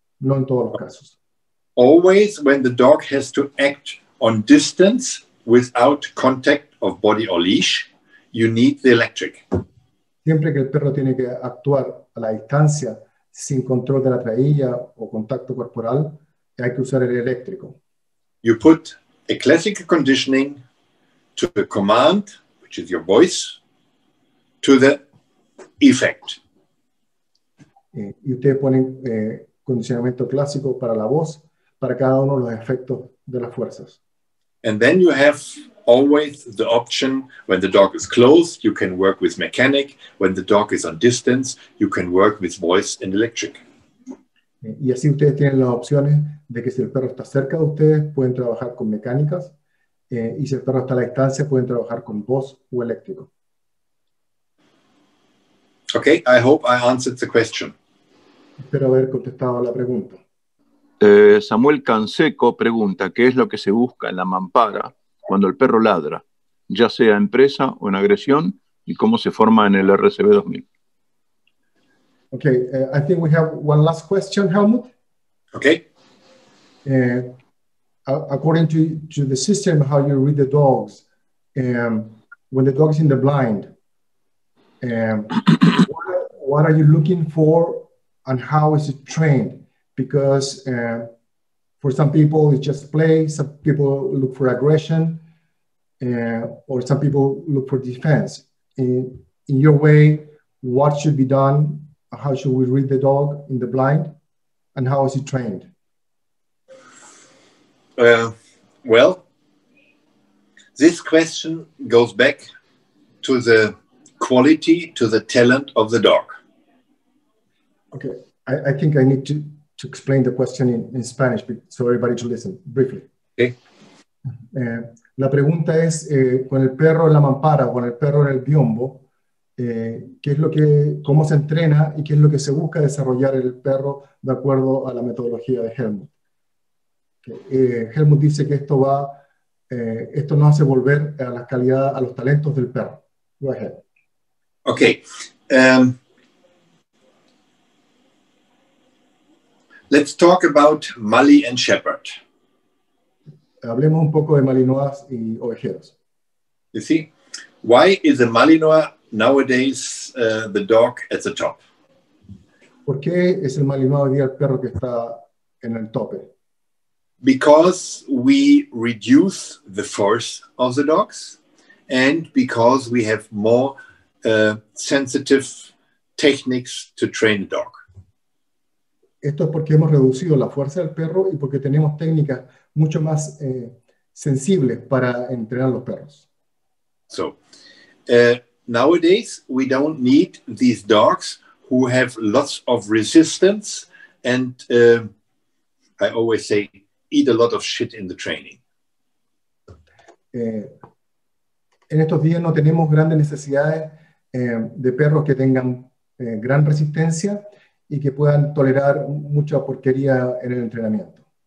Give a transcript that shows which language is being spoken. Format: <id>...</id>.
<es>No en todos los casos.</es> <en>Always when the dog has to act on distance without contact of body or leash, you need the electric.</en> <es>Siempre que el perro tiene que actuar a la distancia sin control de la traílla o contacto corporal, hay que usar el eléctrico.</es> <en>You put a classical conditioning to the command, which is your voice, to the effect.</en> <es>Y ustedes ponen condicionamiento clásico para la voz, para cada uno de los efectos de las fuerzas.</es> <en>And then you have always the option, when the dog is close, you can work with mechanic. When the dog is on distance, you can work with voice and electric.</en> <es>Y así ustedes tienen las opciones de que si el perro está cerca de ustedes, pueden trabajar con mecánicas. Y si el perro está a la distancia, pueden trabajar con voz o eléctrico.</es> <en>Okay, I hope I answered the question.</en> <es>Espero haber contestado la pregunta. Samuel Canseco pregunta, ¿qué es lo que se busca en la mampara cuando el perro ladra, ya sea en presa o en agresión, y cómo se forma en el RCB 2000?</es> <en>Okay, I think we have one last question, Helmut. Okay. According to the system, how you read the dogs, when the dog is in the blind, what are you looking for and how is it trained? Because for some people, it's just play. Some people look for aggression, or some people look for defense. In your way, what should be done? How should we read the dog in the blind? And how is it trained? Well, this question goes back to the quality, to the talent of the dog. Okay, I think I need to explain the question in Spanish, so everybody to listen briefly. Okay.</en> <es>La pregunta es, con el perro en la mampara, con el perro en el biombo, ¿qué es lo que, cómo se entrena y qué es lo que se busca desarrollar el perro de acuerdo a la metodología de Helmut? Helmut dice que esto va, esto nos hace volver a la calidad, a los talentos del perro.</es> <en>Go ahead. Okay. Let's talk about Mali and Shepherd.</en> <es>Hablemos un poco de Malinois y ovejeros.</es> <en>You see, why is a Malinois nowadays the dog at the top?</en> <es>¿Por qué es el Malinois hoy día el perro que está en el tope?</es> <en>Because we reduce the force of the dogs and because we have more sensitive techniques to train the dog.</en> <es>Esto es porque hemos reducido la fuerza del perro y porque tenemos técnicas mucho más sensibles para entrenar los perros.</es> <en>So, nowadays we don't need these dogs who have lots of resistance and I always say eat a lot of shit in the training.</en> <es>En estos días no tenemos grandes necesidades de perros que tengan gran resistencia y que puedan tolerar mucha porquería en el entrenamiento.</es>